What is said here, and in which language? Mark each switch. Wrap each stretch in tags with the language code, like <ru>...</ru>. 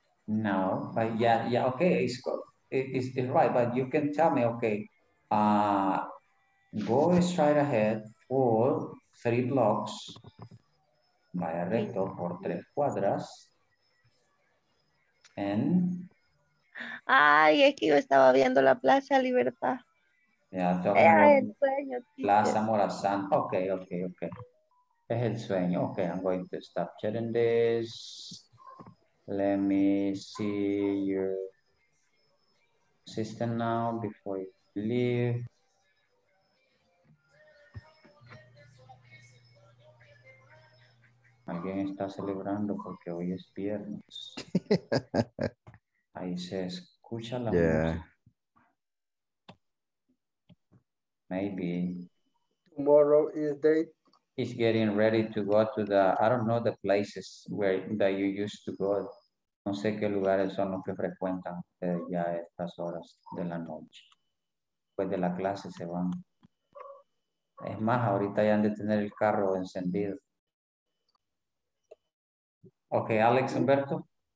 <en>No, but yeah, okay, it's right, but you can tell me, okay, go straight ahead for three blocks,</en> <es>vaya recto por tres cuadras,</es> <en>and...</en> <es>Ay, es que yo estaba viendo la Plaza Libertad.</es> <en>Yeah, talking about</en> <es>el sueño,</es> <en>Plaza Morazán, okay.</en> <es>Es el sueño,</es> <en>okay, I'm going to stop sharing this. Let me see your system now before you leave.</en> <es>Alguien está celebrando porque hoy es viernes. Ahí se escucha la</es> <en>yeah.</en> <es>Música.</es> <en>Maybe. Tomorrow is day. He's getting ready to go to the, I don't know the places where that you used to go.</en> <es>No sé qué lugares son los que frecuentan ya estas horas de la noche. Después de la clase se van. Es más, ahorita ya han de tener el carro encendido.</es> <en>Ok, Alex Humberto.</en>